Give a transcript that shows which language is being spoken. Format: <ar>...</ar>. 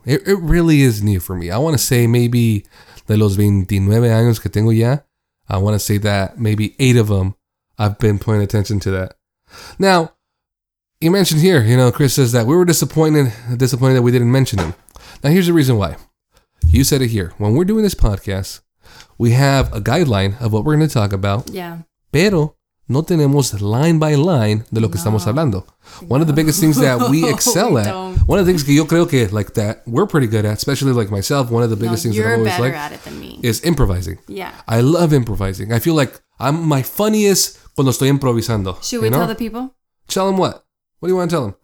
<en>It really is new for me. I want to say maybe</en> <es>de los 29 años que tengo ya,</es> <en>I want to say that maybe 8 of them, I've been paying attention to that. Now, you mentioned here, you know, Chris says that we were disappointed that we didn't mention him. Now, here's the reason why. You said it here. When we're doing this podcast, we have a guideline of what we're going to talk about. Yeah.</en> <es>Pero no tenemos</es> <en>line by line</en> <es>de lo que estamos hablando.</es> <en>One of the biggest things that we excel we at, don't. One of the things</en> <es>que yo creo que,</es> <en>like, that we're pretty good at, especially like myself, one of the biggest things that I'm always like, is improvising. Yeah. I love improvising. I feel like I'm my funniest</en> <es>cuando estoy improvisando.</es> <en>Should we tell the people? Tell them what? What do you want to tell them?</en>